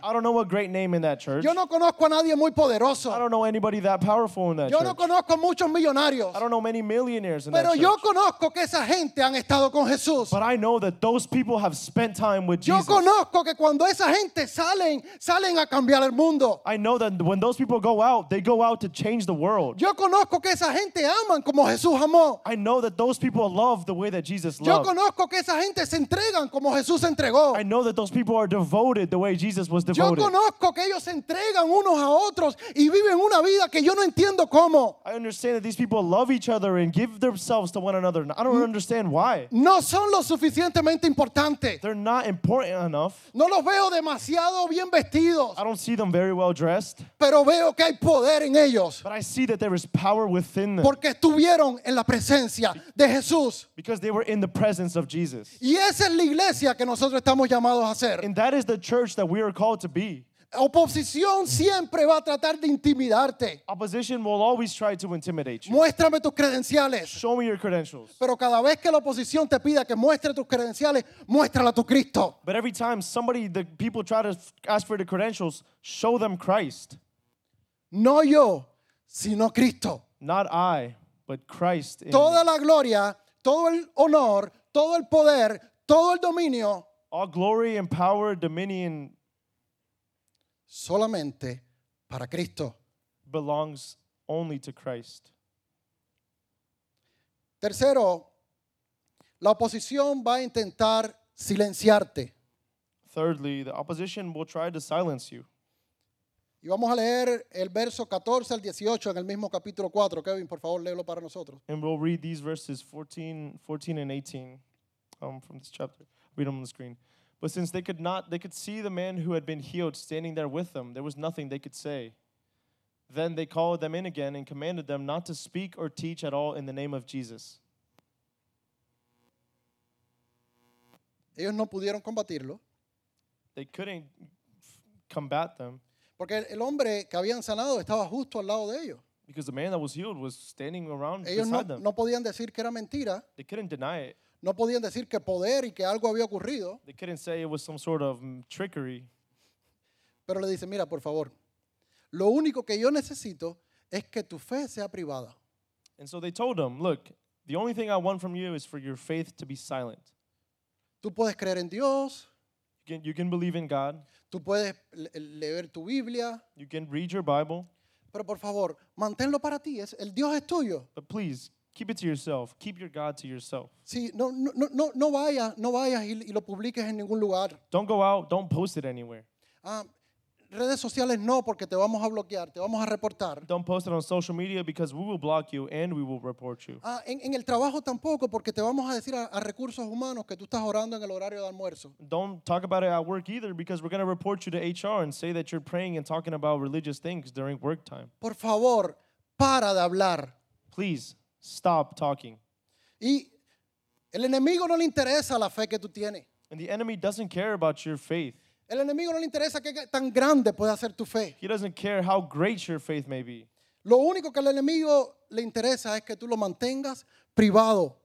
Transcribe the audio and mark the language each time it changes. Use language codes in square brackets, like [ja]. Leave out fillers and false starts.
[en] I don't know a great name in that church. [es] Yo no conozco a nadie muy poderoso. [en] I don't know anybody that powerful in that church. [es] Yo no conozco muchos millonarios. [en] I don't know many millionaires in [es] Pero [en] that church. [es] Pero yo conozco que esa gente han estado con Jesús. [en] But I know that those people have spent time with Jesus. [es] Yo conozco que cuando esa gente salen a cambiar el mundo. [en] I know that when those people go out, they go out to change the world. [es] Yo conozco que esa gente aman como Jesús amó. [en] I know that those people love the way that Jesus loved. [es] Yo conozco que esa gente se entregan como Jesús se entregó. [en] I know that those people are devoted the way Jesus was devoted. [es] Yo conozco que ellos se entregan unos a otros y viven una vida que yo no entiendo cómo. [en] I understand that these people love each other and give themselves to one another. I don't understand why. [es] No son lo suficientemente importantes. [en] They're not important enough. [es] No los veo demasiado bien vestidos. [en] I don't see them very well dressed. [es] Pero veo que hay poder en ellos. [en] But I see that there is power within them. [es] Porque estuvieron en la presencia de Jesús. [en] Because they were in the presence of Jesus. [es] Y esa es la iglesia que nosotros estamos llamados a ser. [en] And that is the church that we are called to be. [es] Oposición siempre va a tratar de intimidarte. [en] Opposition will always try to intimidate you. [es] Muéstrame tus credenciales. [en] Show me your credentials. [es] Pero cada vez que la oposición te pida que muestre tus credenciales, muéstrala a tu Cristo. [en] But every time somebody, the people try to ask for the credentials, show them Christ. [es] No yo, sino Cristo. [en] Not I, but Christ. [es] Toda [en] in [es] la gloria, todo el honor, todo el poder, todo el dominio. [en] All glory and power, dominion. [es] Solamente para Cristo. [en] Belongs only to Christ. [es] Tercero, la oposición va a intentar silenciarte. [en] Thirdly, the opposition will try to silence you. [es] Y vamos a leer el verso 14 al 18 en el mismo capítulo 4. Kevin, por favor, léelo para nosotros. [en] And we'll read these verses 14 and 18 from this chapter. Read them on the screen. But since they could see the man who had been healed standing there with them, there was nothing they could say. Then they called them in again and commanded them not to speak or teach at all in the name of Jesus. [es] Ellos no pudieron combatirlo. [en] They couldn't combat them. [es] Porque el hombre que habían sanado estaba justo al lado de ellos. [en] Because the man that was healed was standing around [es] ellos [en] beside [es] no, [en] them. [es] No podían decir que era mentira. [en] They couldn't deny it. [es] No podían decir que poder y que algo había ocurrido. [en] They couldn't say it was some sort of trickery. [es] Pero le dice, mira, por favor, lo único que yo necesito es que tu fe sea privada. [en] And so they told him, look, the only thing I want from you is for your faith to be silent. [es] Tú puedes creer en Dios. [en] You can believe in God. [es] Tú puedes leer tu Biblia. [en] You can read your Bible. [es] Pero por favor, manténlo para ti. El Dios es tuyo. [en] But please, keep it to yourself. Keep your God to yourself. [es] Sí, no vayas y lo publiques en ningún lugar. [en] Don't go out. Don't post it anywhere. [es] redes sociales no, porque te vamos a bloquear, te vamos a reportar. [en] Don't post it on social media because we will block you and we will report you. [es] En el trabajo tampoco, porque te vamos a decir a recursos humanos que tú estás orando en el horario de almuerzo. [en] Don't talk about it at work either because we're going to report you to HR and say that you're praying and talking about religious things during work time. [es] Por favor, para de hablar. [en] Please stop talking. [es] Y el enemigo no le interesa la fe que tú tienes. [en] And the enemy doesn't care about your faith. [es] El enemigo no le interesa qué tan grande puede hacer tu fe. [en] He doesn't care how great your faith may be. [es] Lo único que al enemigo le interesa es que tú lo mantengas privado.